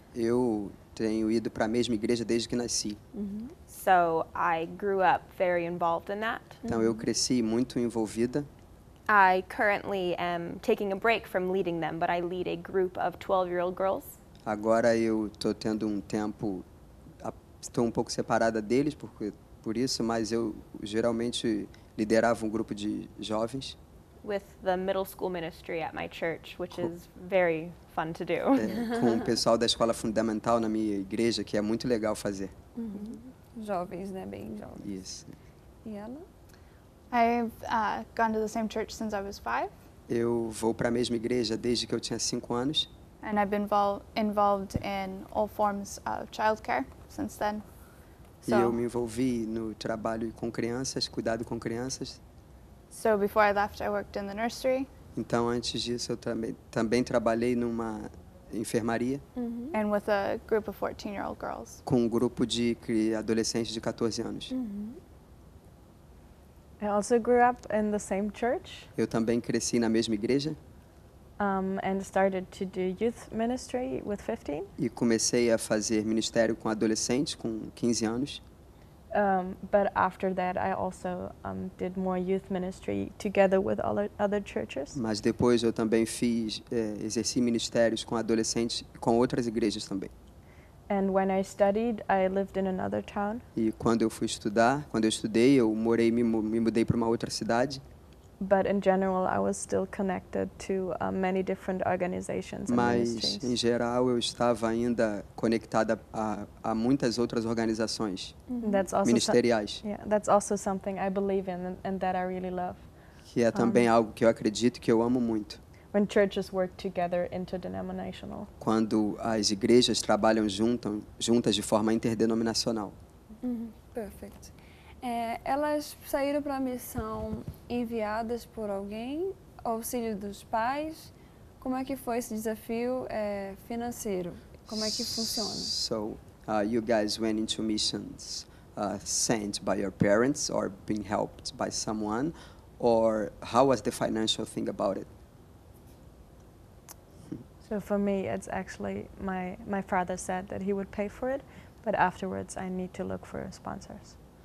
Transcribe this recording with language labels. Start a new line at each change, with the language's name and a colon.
Portuguese: Eu tenho ido para a mesma igreja desde que nasci.
English: So I grew up very involved in that.
Portuguese: Então eu cresci muito envolvida.
English: I currently am taking a break from leading them, but I lead a group of 12-year-old girls.
Portuguese: Agora eu tô tendo tempo, estou pouco separada deles por isso, mas eu geralmente liderava grupo de jovens.
English: With the middle school ministry at my church, which is very fun to do.
Portuguese: Com o pessoal da escola fundamental na minha igreja, que é muito legal fazer. Jovens, né? Bem jovens. Isso. E ela?
English: I've gone to the same church since I was 5.
Portuguese: Eu vou para a mesma igreja desde que eu tinha 5 anos.
English: And I've been involved in all forms of childcare since then.
Portuguese: So, e eu me envolvi no trabalho com crianças, cuidado com crianças.
English: So before I left, I worked in the nursery.
Portuguese: Então antes disso eu também trabalhei numa enfermaria. Mm-hmm.
English: And with a group of 14-year-old girls.
Portuguese: Com grupo de adolescentes de 14 anos.
English: I also grew up in the same church.
Portuguese: Eu também cresci na mesma igreja.
English: And started to do youth ministry with 15.
Portuguese: E comecei a fazer ministério com adolescentes com 15 anos.
English: But after that, I also did more youth ministry together with other churches.
Portuguese: Mas depois eu também exerci ministérios com adolescentes com outras igrejas também.
English: And when I studied, I lived in another town.
Portuguese: E quando eu fui estudar, quando eu estudei, eu morei, me mudei para uma outra cidade.
English: But in general, I was still connected to many different organizations and ministries.
Portuguese: Mas em geral, eu estava ainda conectada a muitas outras organizações ministeriais.
English: That's also something I believe in and that I really love.
Portuguese: Que é também algo que eu acredito que eu amo muito.
English: When churches work together interdenominational.
Portuguese: Quando as igrejas trabalham juntas de forma interdenominacional.
English: Perfect.
Portuguese: Elas saíram para a missão enviadas por alguém, auxílio dos pais. Como é que foi esse desafio financeiro? Como é que funciona?
English: So, you guys went into missions sent by your parents or being helped by someone, or how was the financial thing about it? So for me, it's actually my father said that he would pay for it, but afterwards I need to look for sponsors.